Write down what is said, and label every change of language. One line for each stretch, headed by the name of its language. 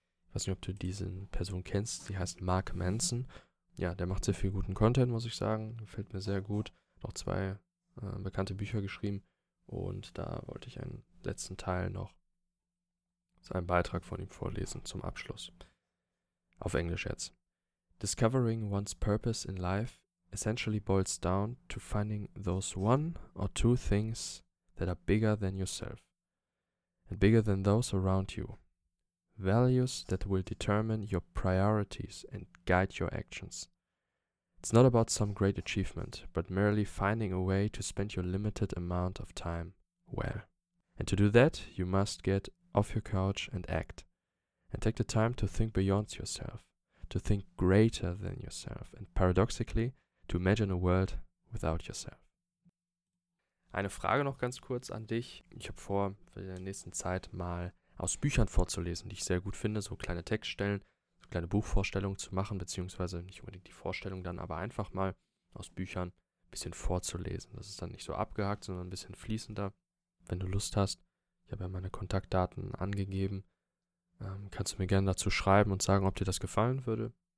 German: Ich weiß nicht, ob du diese Person kennst. Sie heißt Mark Manson. Ja, der macht sehr viel guten Content, muss ich sagen. Gefällt mir sehr gut. Noch zwei bekannte Bücher geschrieben. Und da wollte ich einen letzten Teil noch einen Beitrag von ihm vorlesen zum Abschluss. Auf Englisch jetzt.
English: Discovering one's purpose in life essentially boils down to finding those one or two things that are bigger than yourself and bigger than those around you. Values that will determine your priorities and guide your actions. It's not about some great achievement, but merely finding a way to spend your limited amount of time well. And to do that, you must get off your couch and act. And take the time to think beyond yourself, to think greater than yourself, and paradoxically, to imagine a world without yourself.
German: Eine Frage noch ganz kurz an dich. Ich habe vor, für die nächste Zeit mal aus Büchern vorzulesen, die ich sehr gut finde, so kleine Textstellen, so kleine Buchvorstellungen zu machen, beziehungsweise nicht unbedingt die Vorstellung dann, aber einfach mal aus Büchern ein bisschen vorzulesen. Das ist dann nicht so abgehakt, sondern ein bisschen fließender. Wenn du Lust hast, ich habe ja meine Kontaktdaten angegeben, kannst du mir gerne dazu schreiben und sagen, ob dir das gefallen würde.